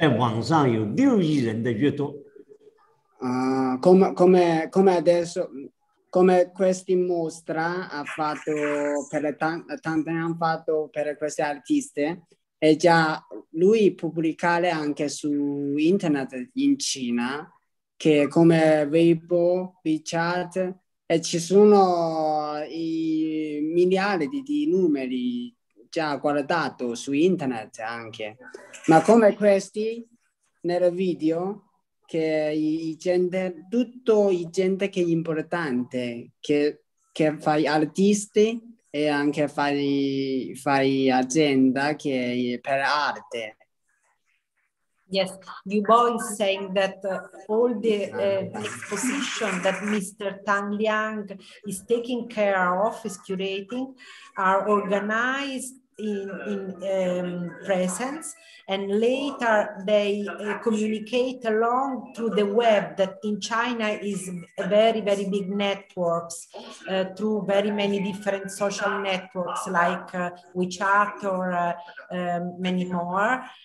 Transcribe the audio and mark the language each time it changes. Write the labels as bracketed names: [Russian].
[Chinese] 期间，我们做了90几个艺术家，在网上有6亿人的阅读。啊， [Italian] come adesso. Come questa mostra ha fatto per tante hanno fatto per queste artiste e già lui pubblicare anche su internet in Cina che come Weibo, WeChat e ci sono i miliardi di numeri già guardato su internet anche, ma come questi nel video che tutto gente che è importante, che fai artisti e anche fai azienda che per arte. [English] Yes, you both saying that all the exposition that Mr. Tang Liang is taking care of, is curating, are organized in presence, and later they communicate along through the web that in China is a very, very big networks, through very many different social networks like WeChat or many more.